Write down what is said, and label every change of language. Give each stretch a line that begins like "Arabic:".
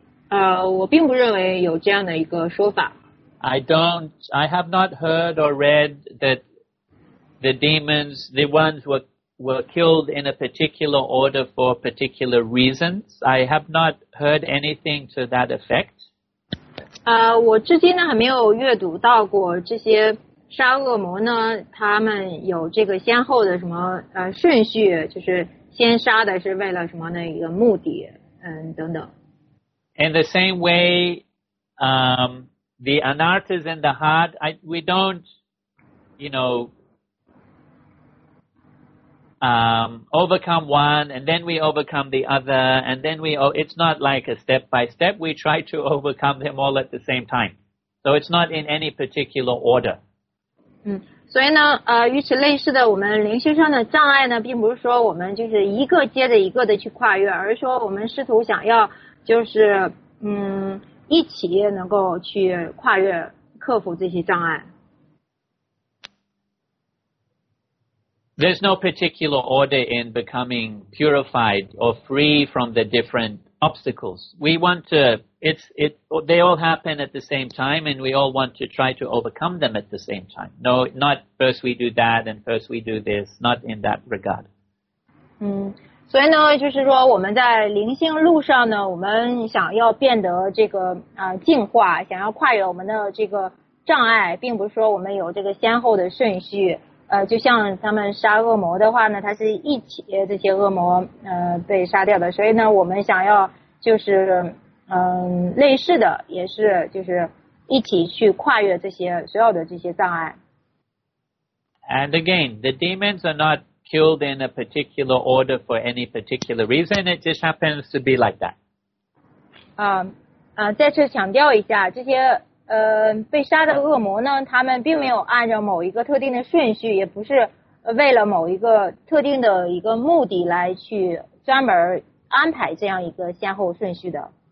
Chinese: 我并不认为有这样的一个说法。
English: I have not heard or read that the demons, the ones who were were killed in a particular order for particular reasons. I have not heard anything to that effect.
Chinese: 我至今呢还没有阅读到过这些杀恶魔呢，他们有这个先后的什么顺序，就是先杀的是为了什么的一个目的，等等。
English: In the same way, the anarthas and the hard, we don't, you know, overcome one and then we overcome the other and then it's not like a step by step. We try to overcome them all at the same time. So it's not in any particular order.
Chinese: 所以呢，与此类似的，我们灵性上的障碍呢，并不是说我们就是一个接着一个的去跨越，而是说我们试图想要就是一起能够去跨越克服这些障碍。
English: There's no particular order in becoming purified or free from the different obstacles. We want to, they all happen at the same time and we all want to try to overcome them at the same time. No, not first we do that and first we do this, not in that regard.
Chinese: 所以呢就是说我们在灵性路上呢，我们想要变得这个进化，想要跨越我们的这个障碍，并不是说我们有这个先后的顺序。就像他们杀恶魔的话呢，他是一起这些恶魔被杀掉的，所以呢我们想要就是类似的也是就是一起去跨越这些所有的这些障碍。
English: And again, the demons are not killed in a particular order for any particular reason, it just happens to be like that.
Chinese: 再次强调一下这些被杀的恶魔呢，他们并没有按照某一个特定的顺序，也不是为了某一个特定的一个目的来去专门安排这样一个先后顺序的。